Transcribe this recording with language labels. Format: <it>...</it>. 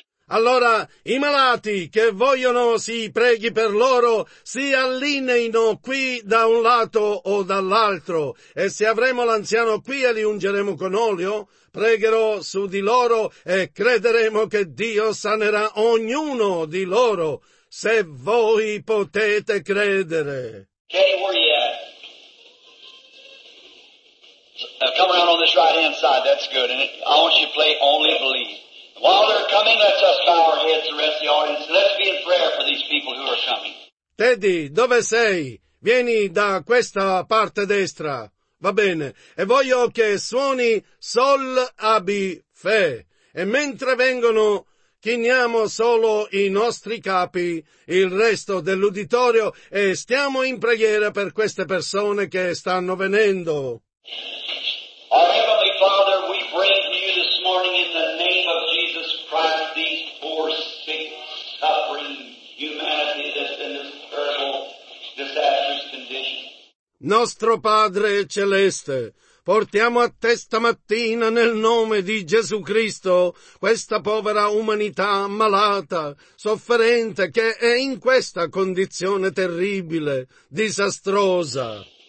<it>Allora, i malati che vogliono si preghi per loro, si allineino qui da un lato o dall'altro, e se avremo l'anziano qui e li ungeremo con olio, pregherò su di loro e crederemo che Dio sanerà ognuno di loro, se voi potete credere.</it> <en>Okay, where are you at? Come around on this right-hand side, that's good, and I want you to play Only Believe. While they're coming, let's just bow our heads, the rest of the audience. Let's be in prayer for these people who are coming.</en> <it>Teddy, dove sei? Vieni da questa parte destra. Va bene. E voglio che suoni Sol Abi Fe. E mentre vengono, chiniamo solo i nostri capi, il resto dell'uditorio, e stiamo in preghiera per queste persone che stanno venendo.</it> <en>Our Heavenly Father, we bring to you this morning in the name of Christ, these poor, sick, suffering humanity that's in this terrible, disastrous condition.</en> <it>Nostro Padre Celeste, portiamo a te stamattina nel nome di Gesù Cristo questa povera umanità malata, sofferente, che è in questa condizione terribile, disastrosa.</it>